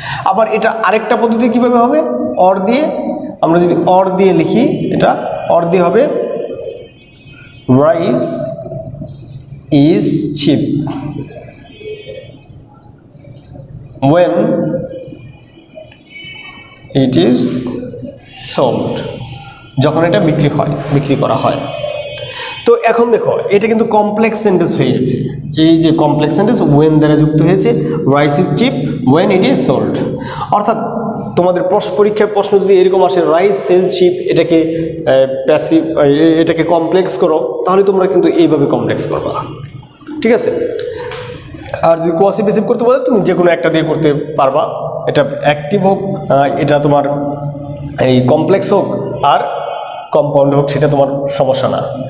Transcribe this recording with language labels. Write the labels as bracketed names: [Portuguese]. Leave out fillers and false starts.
[Bangla] আবার এটা আরেকটা পদ্ধতি কীভাবে হবে, অর দিয়ে, আমরা যদি অর দিয়ে লিখি, এটা অর দিয়ে হবে [English] rice is cheap, when it is sold, [Bangla] যখন এটা বিক্রি হয়, বিক্রি করা হয়। তো এখন দেখো, এটা কিন্তু complex sentence হয়ে গেছে। এই যে complex sentence when দ্বারা যুক্ত হয়েছে, [English] rice is cheap when it is sold। [Bangla] অর্থাৎ তোমাদের প্রশ্ন পরীক্ষায় প্রশ্ন যদি এরকম আসে, [English] rice sells cheap, [Bangla] এটাকে passive, এটাকে complex করো, তাহলে তোমরা কিন্তু এইভাবে complex করবা। ঠিক আছে? আর যদি quasi passive করতে বলে, তুমি যে কোনো একটা দিয়ে করতে পারবা। এটা active হোক, এটা তোমার এই complex হোক আর কম্পাউন্ড হোক, সেটা তোমার সমস্যা না।